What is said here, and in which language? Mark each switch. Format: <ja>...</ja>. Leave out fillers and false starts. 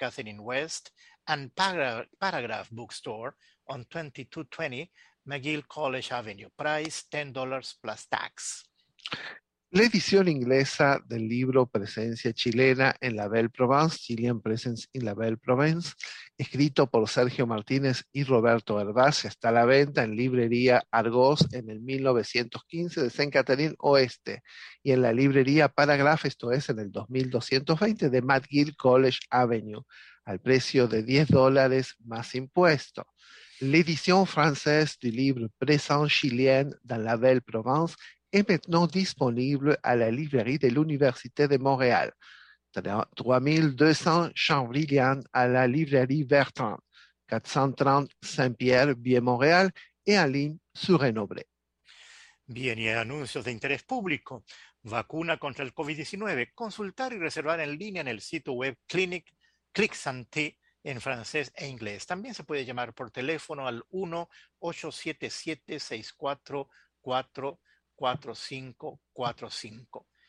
<en>Catherine West, and Paragraph Bookstore on 2220 McGill College Avenue. Price $10 plus tax.</en> <es>La edición inglesa del libro Presencia Chilena en la Belle Provence, Chilean Presence in la Belle Provence, escrito por Sergio Martínez y Roberto Hervás, está a la venta en librería Argos en el 1915 de Saint Catherine Oeste y en la librería Paragraph, esto es en el 2220 de McGill College Avenue, al precio de $10 más impuesto.</es> <fr>L'édition française du livre Présence Chilienne dans la Belle Provence est maintenant disponible à la librairie de l'Université de Montréal. 3200 Champs-Brillant à la librairie Bertrand, 430 Saint-Pierre, Vieux-Montréal et en ligne sur Renobré.</fr> <es>Bien, y anuncios de interés público. Vacuna contra el COVID-19. Consultar y reservar en línea en el sitio web Clinique Santé en francés e inglés. También se puede llamar por teléfono al 1-877-644-4545.</es>